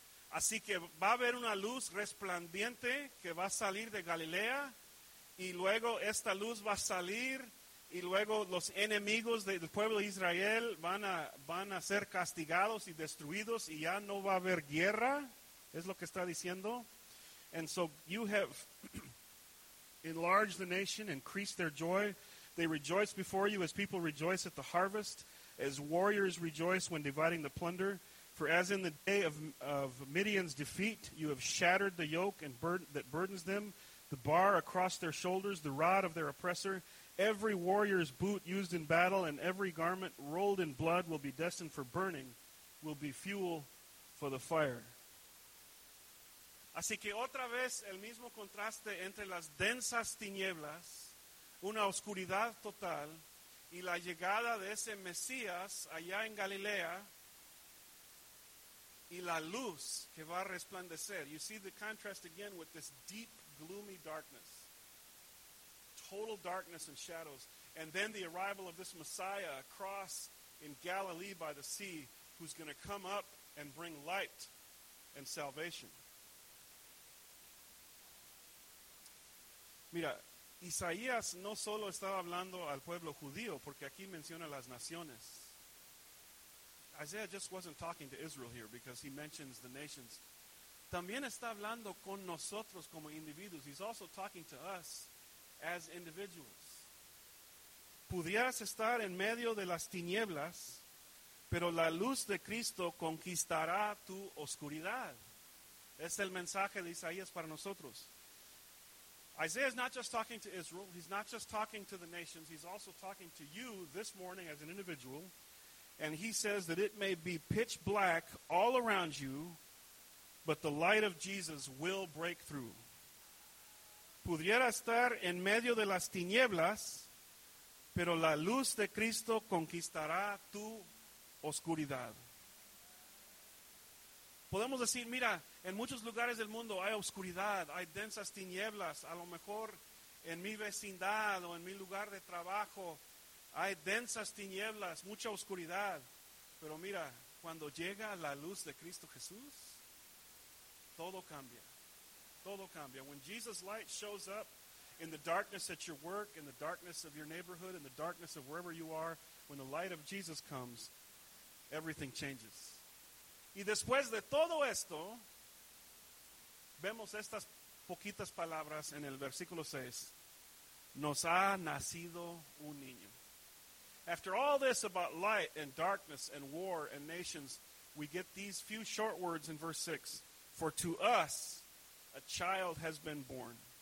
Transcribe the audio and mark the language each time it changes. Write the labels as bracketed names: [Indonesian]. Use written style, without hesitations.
[Spanish] Así que va a haber una luz resplandiente que va a salir de Galilea. Y luego esta luz va a salir y luego los enemigos del pueblo de Israel van a ser castigados y destruidos y ya no va a haber guerra, es lo que está diciendo. [English] And so you have enlarged the nation, increased their joy. They rejoice before you as people rejoice at the harvest, as warriors rejoice when dividing the plunder. For as in the day of Midian's defeat, you have shattered the yoke and that burdens them, the bar across their shoulders, the rod of their oppressor. Every warrior's boot used in battle and every garment rolled in blood will be destined for burning, will be fuel for the fire. [Spanish] Así que otra vez el mismo contraste entre las densas tinieblas. una oscuridad total, y la llegada de ese Mesías allá en Galilea, y la luz que va a resplandecer. [English] You see the contrast again with this deep, gloomy darkness. Total darkness and shadows. And then the arrival of this Messiah across in Galilee by the sea, who's going to come up and bring light and salvation. [Spanish] Mira, Isaías no solo estaba hablando al pueblo judío, porque aquí menciona las naciones. [English] Isaiah just wasn't talking to Israel here because he mentions the nations. [Spanish] También está hablando con nosotros como individuos. [English] He's also talking to us as individuals. [Spanish] Pudieras estar en medio de las tinieblas, pero la luz de Cristo conquistará tu oscuridad. Es el mensaje de Isaías para nosotros. [English] Isaiah is not just talking to Israel. He's not just talking to the nations. He's also talking to you this morning as an individual. And he says that it may be pitch black all around you, but the light of Jesus will break through. [Spanish] Pudiera estar en medio de las tinieblas, pero la luz de Cristo conquistará tu oscuridad. Podemos decir, mira, en muchos lugares del mundo hay oscuridad, hay densas tinieblas. A lo mejor en mi vecindad o en mi lugar de trabajo hay densas tinieblas, mucha oscuridad. Pero mira, cuando llega la luz de Cristo Jesús, todo cambia. Todo cambia. [English] When Jesus' light shows up in the darkness at your work, in the darkness of your neighborhood, in the darkness of wherever you are, when the light of Jesus comes, everything changes. [Spanish] Y después de todo esto, vemos estas poquitas palabras en el versículo 6. Nos ha nacido un niño. [English] After all this about light and darkness and war and nations, we get these few short words in verse 6. For to us, a child has been born.